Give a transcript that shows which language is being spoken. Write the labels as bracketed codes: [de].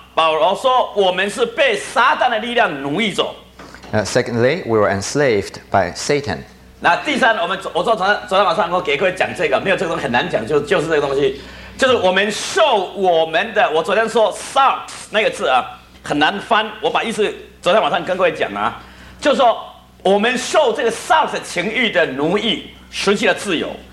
[zh] 保罗说我们是被撒旦的力量奴役着。 [en] Secondly, we were enslaved by Satan. [zh] 那第三，我昨天晚上我给各位讲这个，没有这个东西很难讲，就是这个东西，就是我们受我们的，我昨天说 sucks 那个字啊，很难翻，我把意思昨天晚上跟各位讲啊，就是说我们受这个 sucks 情欲的奴役，失去了自由。